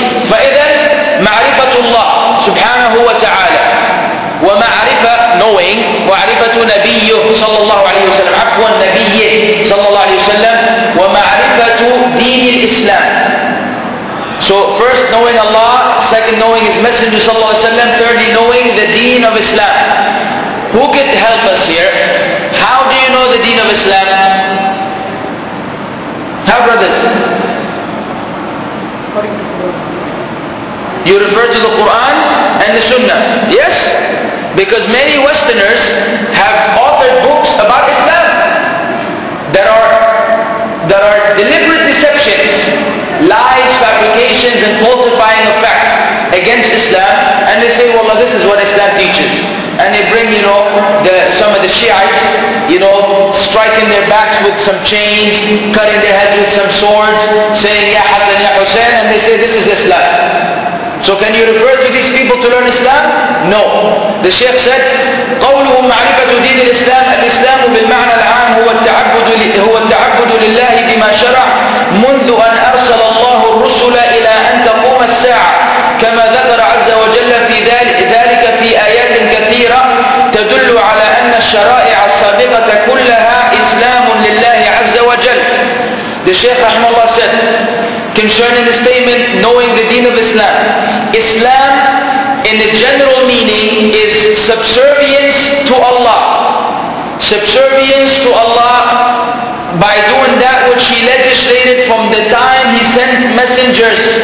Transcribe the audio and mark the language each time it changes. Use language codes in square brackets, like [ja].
[ar] فإذا معرفة الله سبحانه وتعالى ومعرفة [en] knowing [ar] معرفة نبيه صلى الله عليه وسلم عفوا نبيه صلى الله عليه وسلم ومعرفة دين الإسلام. [en] So first knowing Allah, second knowing His Messenger صلى الله عليه وسلم, thirdly knowing the deen of Islam. Who could help us here? How do you know the deen of Islam? Now brothers, You refer to the Quran and the Sunnah. Yes? Because many Westerners have authored books about Islam that are deliberate deceptions, lies, fabrications, and falsifying of facts against Islam, and they say, well, this is what Islam teaches. And they bring, you know, some of the Shiites, you know, striking their backs with some chains, cutting their heads with some swords, saying, Ya Hassan, Ya Hussein, and they say, this is Islam. So can you refer to these people to learn Islam? No. The Shaykh said, [ar] قولهم معرفة دين الإسلام الإسلام بالمعنى العام هو التعبد لله بما شرع منذ أن أرسل الله الرسل إلى أن تقوم الساعة كما ذكر عز وجل في ذلك في آيات كثيرة تدل على أن الشرائع السابقة كلها إسلام لله عز وجل. [en] The Shaykh رحمه الله said, concerning the statement, knowing the deen of Islam. Islam, in the general meaning, is subservience to Allah. Subservience to Allah by doing that which He legislated from the time He sent messengers.